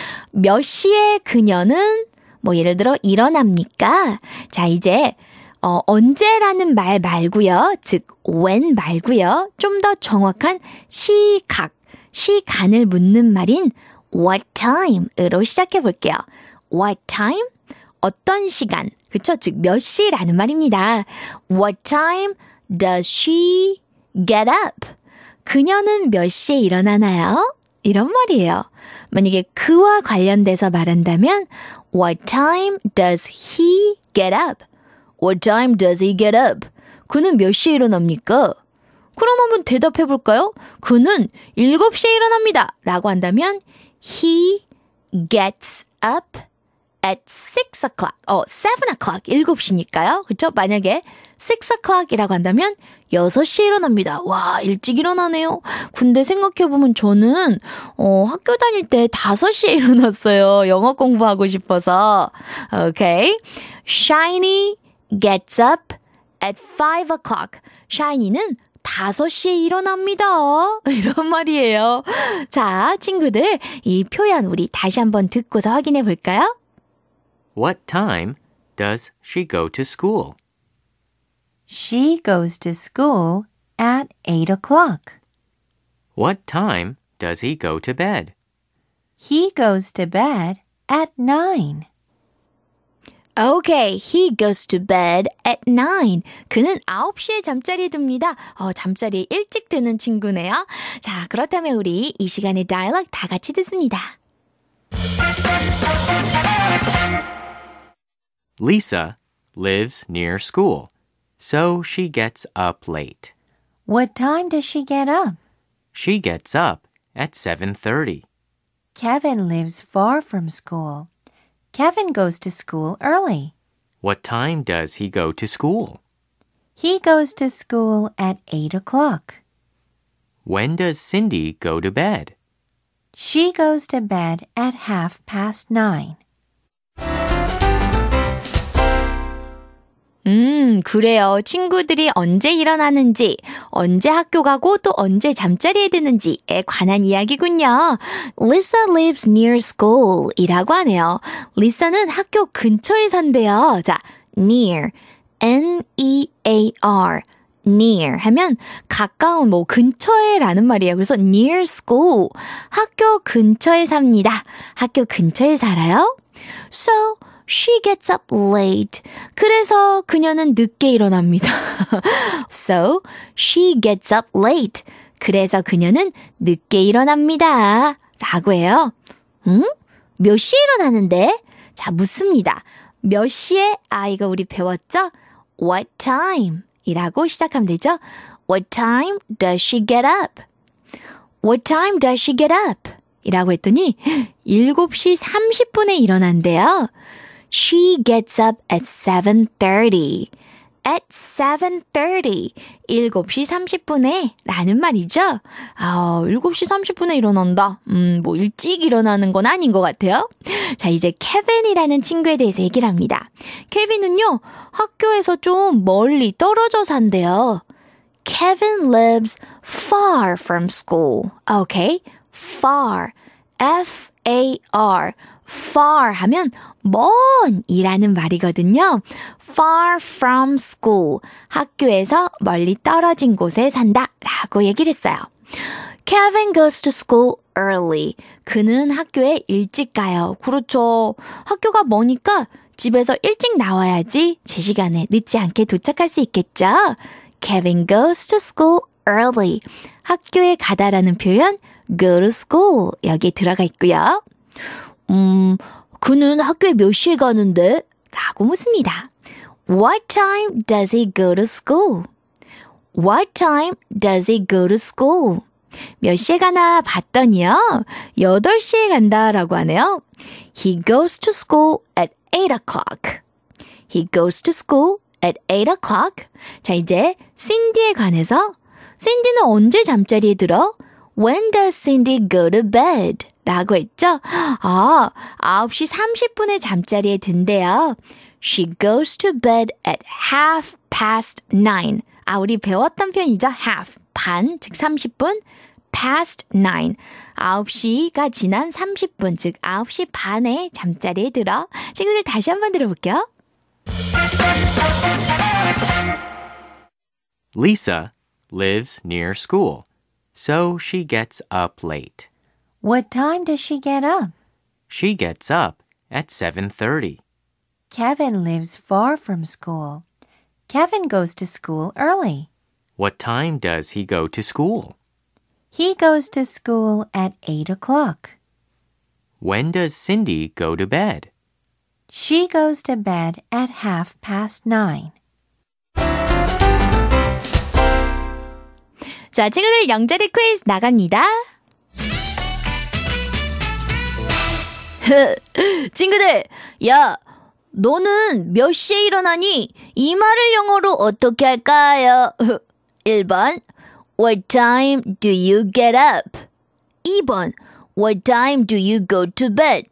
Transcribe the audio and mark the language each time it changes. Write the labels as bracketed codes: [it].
[ko] 몇 시에 그녀는 뭐 예를 들어 일어납니까? 자, 이제 언제라는 말 말고요. 즉 when 말고요. 좀 더 정확한 시각, 시간을 묻는 말인 [en] What time? [ko] 으로 시작해 볼게요. [en] What time? [ko] 어떤 시간? 그쵸? 즉, 몇 시라는 말입니다. [en] What time does she get up? [ko] 그녀는 몇 시에 일어나나요? 이런 말이에요. 만약에 그와 관련돼서 말한다면 [en] What time does he get up? What time does he get up? [ko] 그는 몇 시에 일어납니까? 그럼 한번 대답해 볼까요? 그는 7시에 일어납니다. 라고 한다면 [en] He gets up at 6 o'clock. 7 o'clock, [ko] 7시니까요. 그렇죠? 만약에 [en] 6 o'clock [ko] 이라고 한다면 6시에 일어납니다. 와, 일찍 일어나네요. 근데 생각해보면 저는 학교 다닐 때 5시에 일어났어요. 영어 공부하고 싶어서. [en] Okay. Shiny gets up at 5 o'clock. [ko] Shiny는 5시에 일어납니다. 이런 말이에요. 자, 친구들, 이 표현 우리 다시 한번 듣고서 확인해 볼까요? [en] What time does she go to school? She goes to school at 8 o'clock. What time does he go to bed? He goes to bed at 9. Okay, he goes to bed at 9. [ko] 그는 9시에 잠자리에 듭니다. 잠자리에 일찍 드는 친구네요. 자, 그렇다면 우리 이 시간의 dialogue 다 같이 듣습니다. [en] Lisa lives near school, so she gets up late. What time does she get up? She gets up at 7:30. Kevin lives far from school. Kevin goes to school early. What time does he go to school? He goes to school at 8 o'clock. When does Cindy go to bed? She goes to bed at 9:30. [ko] 그래요. 친구들이 언제 일어나는지, 언제 학교 가고 또 언제 잠자리에 드는지에 관한 이야기군요. [en] Lisa lives near school [ko] 이라고 하네요. Lisa는 학교 근처에 산대요. 자, near, N-E-A-R, near 하면 가까운 뭐 근처에 라는 말이에요. 그래서 [en] near school, [ko] 학교 근처에 삽니다. 학교 근처에 살아요. [en] So, she gets up late. [ko] 그래서 그녀는 늦게 일어납니다. [en] So, she gets up late. [ko] 그래서 그녀는 늦게 일어납니다. 라고 해요. 응? 몇 시에 일어나는데? 자, 묻습니다. 몇 시에? 아, 이거 우리 배웠죠? [en] What time? [ko] 이라고 시작하면 되죠. [en] What time does she get up? What time does she get up? [ko] 이라고 했더니 7시 30분에 일어난대요. [en] She gets up at 7:30. At 7:30. [ko] 7시 30분에 라는 말이죠. 7시 30분에 일어난다. 뭐 일찍 일어나는 건 아닌 것 같아요. 자, 이제 케빈이라는 친구에 대해서 얘기를 합니다. 케빈은요, 학교에서 좀 멀리 떨어져 산대요. [en] Kevin lives far from school. Okay? Far. F-A-R. [ko] Far 하면 먼이라는 말이거든요. [en] Far from school. [ko] 학교에서 멀리 떨어진 곳에 산다 라고 얘기를 했어요. [en] Kevin goes to school early. [ko] 그는 학교에 일찍 가요. 그렇죠. 학교가 머니까 집에서 일찍 나와야지 제 시간에 늦지 않게 도착할 수 있겠죠. [en] Kevin goes to school early. [ko] 학교에 가다라는 표현 [en] go to school [ko] 여기에 들어가 있고요. 그는 학교에 몇 시에 가는데? 라고 묻습니다. [en] What time does he go to school? What time does he go to school? [ko] 몇 시에 가나 봤더니요. 8시에 간다라고 하네요. [en] He goes to school at 8 o'clock. He goes to school at 8 o'clock. [ko] 자, 이제 신디에 관해서 신디는 언제 잠자리에 들어? [en] When does Cindy go to bed? [ko] 라고 했죠. 9시 30분에 잠자리에 든대요. [en] She goes to bed at 9:30. [ko] 아, 우리 배웠던 표현이죠. half, 반, 즉 30분. [en] past 9. [ko] 9시가 지난 30분, 즉 9시 반에 잠자리에 들어. 친구들 다시 한번 들어볼게요. [en] Lisa lives near school, so she gets up late. What time does she get up? She gets up at 7:30. Kevin lives far from school. Kevin goes to school early. What time does he go to school? He goes to school at 8 o'clock. When does Cindy go to bed? She goes to bed at 9:30. [ko] 자, 친구들 영자리 퀴즈 나갑니다. 친구들, 야, 너는 몇 시에 일어나니? 이 말을 영어로 어떻게 할까요? [en] 1번, What time do you get up? 2번, What time do you go to bed?